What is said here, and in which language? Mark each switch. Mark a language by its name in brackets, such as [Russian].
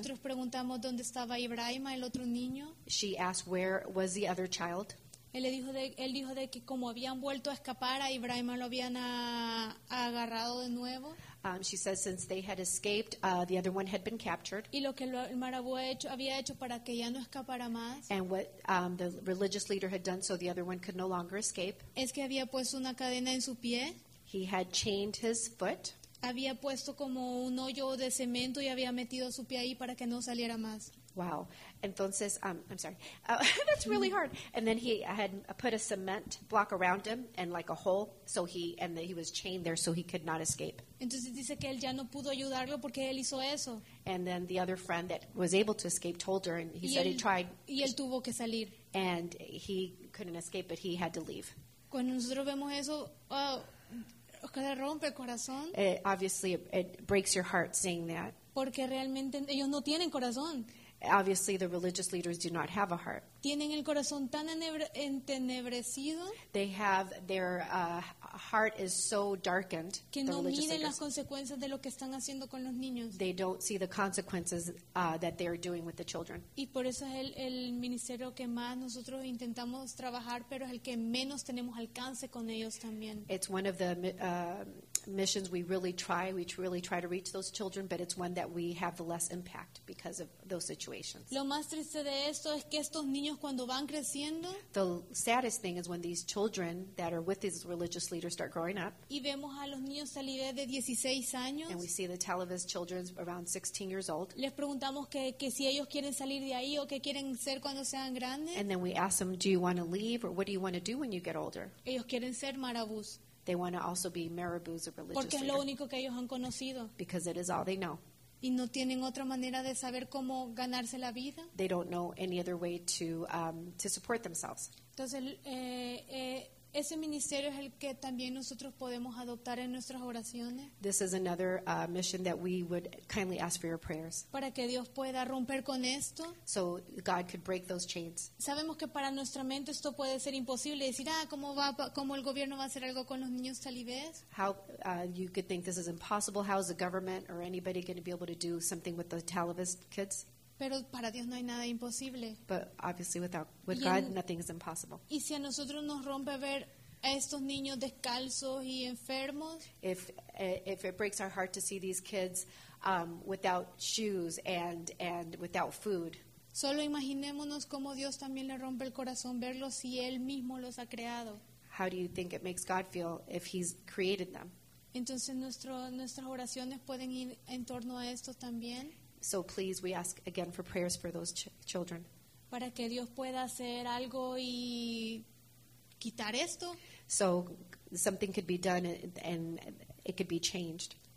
[Spanish] Nosotros preguntamos dónde estaba Ibrahim, el otro niño. [English] She asked where was the other child. [Spanish] Él dijo de que como habían vuelto a escapar, a Ibrahim lo habían agarrado de nuevo. [English] She says since they had escaped, the other one had been captured. [Spanish] Y lo que el marabú había hecho para que ya no escapara más. [English] And what the religious leader had done so the other one could no longer escape. [Spanish] Es que había puesto una cadena en su pie. [English] He had chained his foot. [Spanish] Había puesto como un hoyo de cemento y había metido su pie ahí para que no saliera más. [English] Wow. Entonces, I'm sorry. that's really hard. And then he had put a cement block around him and like a hole, so he and that he was chained there, so he could not escape. [Spanish] Entonces dice que él ya no pudo ayudarlo porque él hizo eso. [English] And then the other friend that was able to escape told her, and he [Spanish] y [English] said [Spanish] él, [English] he tried. [Spanish] Y él tuvo que salir. [English] And he couldn't escape, but he had to leave. [Spanish] Cuando nosotros vemos eso, oh, rompe el corazón. [English] Obviously, it breaks your heart seeing that. [Spanish] Porque realmente ellos no tienen corazón. [English] Obviously, the religious leaders do not have a heart. [Spanish] Tienen el corazón tan entenebrecido. [English] They have their heart is so darkened. [Spanish] Que no miden las consecuencias de lo que están haciendo con los niños. [English] They don't see the consequences that they are doing with the children. [Spanish] Y por eso es el ministerio que más nosotros intentamos trabajar, pero es el que menos tenemos alcance con ellos también. [English] It's one of the missions we really try to reach those children, but it's one that we have the less impact because of those situations. [Spanish] Lo más triste de esto es que estos niños cuando van creciendo, [English] the saddest thing is when these children that are with these religious leaders start growing up, [Spanish] y vemos a los niños a la edad de 16 años, [English] and we see the Talavez children around 16 years old, [Spanish] les preguntamos que si ellos quieren salir de ahí o que quieren ser cuando sean grandes, [English] and then we ask them, do you want to leave or what do you want to do when you get older? [Spanish] Ellos quieren ser marabús. [English] They want to also be marabous or religious. [Spanish] Porque es lo único que ellos han conocido. [English] Because it is all they know. [Spanish] Y no tienen otra manera de saber cómo ganarse la vida. [English] They don't know any other way to support themselves. [Spanish] Entonces, ese ministerio es el que también nosotros podemos adoptar en nuestras oraciones. [English] This is another mission that we would kindly ask for your prayers. [Spanish] Para que Dios pueda romper con esto. [English] So God could break those chains. [Spanish] Sabemos que para nuestra mente esto puede ser imposible. Decir, ah, ¿cómo el gobierno va a hacer algo con los niños talibés? [English] How you could think this is impossible. How is the government or anybody going to be able to do something with the Talavez kids? [Spanish] Pero para Dios no hay nada imposible. [English] But obviously with God, nothing is impossible. [Spanish] Y si a nosotros nos rompe ver a estos niños descalzos y enfermos, [English] if it breaks our heart to see these kids without shoes and without food, [Spanish] solo imaginémonos cómo Dios también le rompe el corazón verlos si Él mismo los ha creado. [English] How do you think it makes God feel if He's created them? [Spanish] Entonces nuestras oraciones pueden ir en torno a esto también. [English] So please, we ask again for prayers for those children. [Spanish] Para que Dios pueda hacer algo y quitar esto. [English] So something could be done and it could be changed.